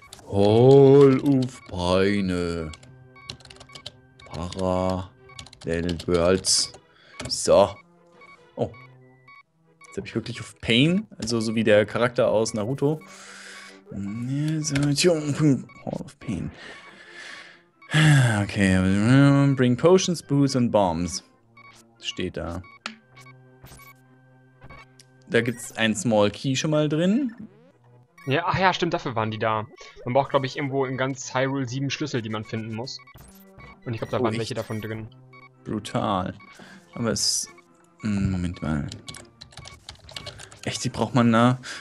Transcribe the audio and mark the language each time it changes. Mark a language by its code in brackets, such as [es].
[en] Hall of Peine. Parallel Worlds. So. Oh. [de] Jetzt habe ich wirklich auf Pain, also so wie der Charakter aus Naruto. [en] Hall of Pain. Okay, bring potions, boots and bombs. [de] Steht da. Da gibt's ein Small Key schon mal drin. Ja, ach ja, stimmt, dafür waren die da. Man braucht, glaube ich, irgendwo in ganz Hyrule 7 Schlüssel, die man finden muss. Und ich glaube, da waren welche davon drin. Brutal. Aber es... Moment mal. Echt, die braucht man da?